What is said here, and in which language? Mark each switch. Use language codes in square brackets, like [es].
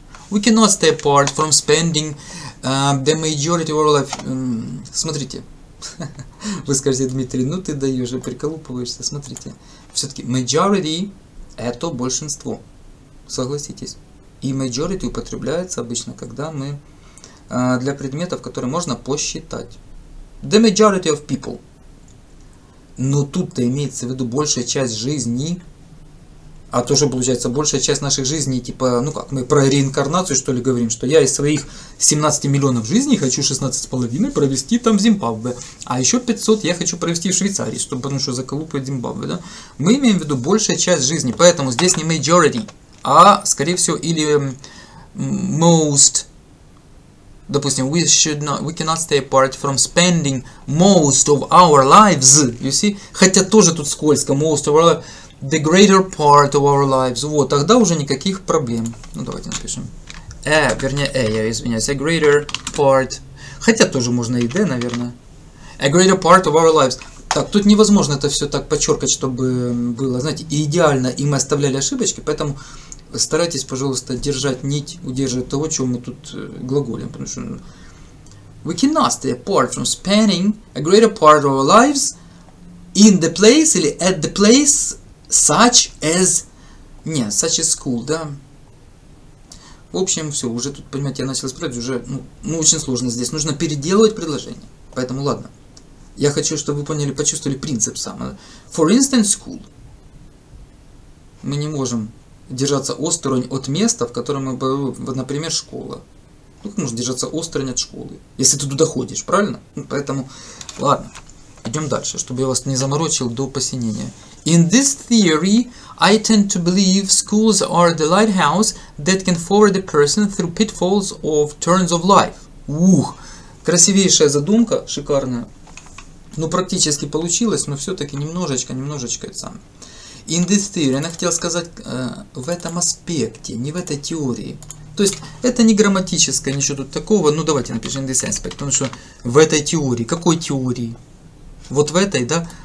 [en] We cannot stay apart from spending the majority of our life. [ru] Смотрите, вы скажете, Дмитрий, ну ты даешь, и приколупываешься, смотрите. Все-таки majority – это большинство, согласитесь. И majority употребляется обычно, когда мы для предметов, которые можно посчитать. [en] The majority of people. [ru] Но тут-то имеется в виду большая часть жизни. А то, что получается, большая часть наших жизней, типа, ну как, мы про реинкарнацию, что ли, говорим, что я из своих 17 миллионов жизней хочу 16,5 провести там в Зимбабве. А еще 500 я хочу провести в Швейцарии, чтобы, потому что заколупает Зимбабве, да? Мы имеем в виду большая часть жизни, поэтому здесь не majority, а, скорее всего, или most. [en] Допустим, we should not, we cannot stay apart from spending most of our lives, you see? [ru] Хотя тоже тут скользко, [en] most of our lives. The greater part of our lives. [ru] Вот, тогда уже никаких проблем. Ну, давайте напишем. Я извиняюсь. [en] A greater part. [ru] Хотя тоже можно и D, наверное. [en] A greater part of our lives. [ru] Так, тут невозможно это все так подчеркать, чтобы было, знаете, идеально, и мы оставляли ошибочки, поэтому старайтесь, пожалуйста, держать нить, удерживать того, чего мы тут глаголим. Потому что [en] we cannot stay apart from spending a greater part of our lives in the place или at the place such as, не, such as school, да. [ru] В общем, все, уже тут, понимаете, я начал исправить, уже, ну, очень сложно здесь, нужно переделывать предложение. Поэтому, ладно, я хочу, чтобы вы поняли, почувствовали принцип сам. [en] For instance, school. [ru] Мы не можем держаться осторонь от места, в котором мы, например, школа. Ну, как можно держаться осторонь от школы, если ты туда ходишь, правильно? Ну, поэтому, ладно, идем дальше, чтобы я вас не заморочил до посинения. [en] In this theory, I tend to believe schools are the lighthouse that can forward a person through pitfalls of turns of life. [ru] Ух, красивейшая задумка, шикарная. Ну, практически получилось, но все-таки немножечко это самое. [en] In this theory, [ru] она хотела сказать в этом аспекте, не в этой теории. То есть, это не грамматическое, ничего тут такого. Ну, давайте напишем [en] in this aspect, [ru] потому что в этой теории. Какой теории? Вот в этой, да?